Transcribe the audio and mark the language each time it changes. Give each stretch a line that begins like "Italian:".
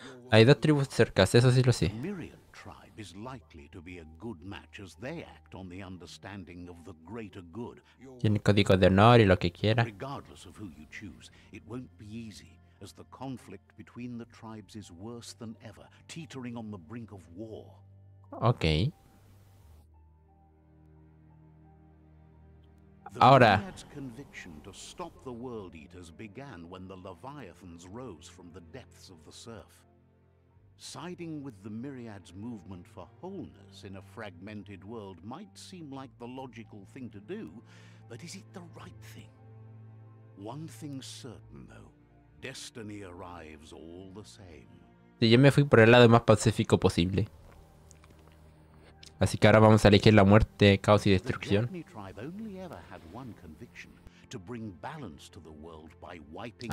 Spanish: Hay dos tribus cercas, eso sí lo sé.
English: Is likely to be a good match as they act on the understanding of the greater good.
Spanish: Tiene código de honor y lo que quiera.
English: Regardless of who you choose, it won't be easy, as the conflict between the tribes is worse than ever, teetering on the brink of war. Okay.
Spanish: Ahora.
English: The Dryad's conviction to stop the world eaters began when the Leviathans rose from the depths of the surf. Siding with the Myriad's movement for wholeness in a fragmented world might seem like the logical thing to do, but is it the right thing? One thing's certain, though. Destiny arrives all the same.
Spanish: Sí, yo me fui por el lado más pacífico posible. Así que ahora vamos a elegir la muerte, caos y destrucción.
English: The Jackney tribe only ever had one conviction, to bring balance to the world by wiping...